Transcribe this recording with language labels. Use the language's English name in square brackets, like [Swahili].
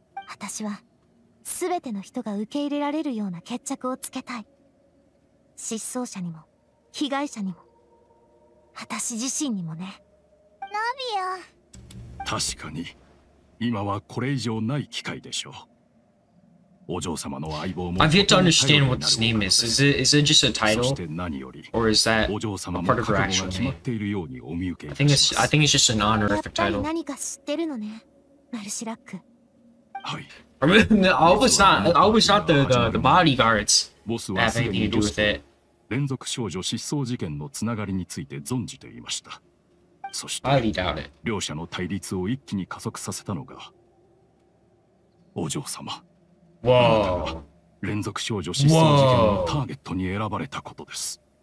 [Japanese] 私は、すべての人が受け入れられるような決着をつけたい。失踪者にも、被害者にも、私自身にもね。ナビア。確かに、今はこれ以上ない機会でしょう。お嬢様の相棒も。 [English] I've yet to understand what this name is. Is it just a title? [Japanese] そして何より、 [English] Or is that a part of her actual name? I think it's just an honorific title. [Japanese] やっぱり何か知ってるのね、ナルシラック。はい。 [English] I mean, I always thought the bodyguards have anything to do with it. [Japanese] 連続少女失踪事件のつながりについて存じていました。そして、両者の対立を一気に加速させたのが、お嬢様。 [English] Whoa. [Japanese] 連続少女失踪事件のターゲットに選ばれたことです。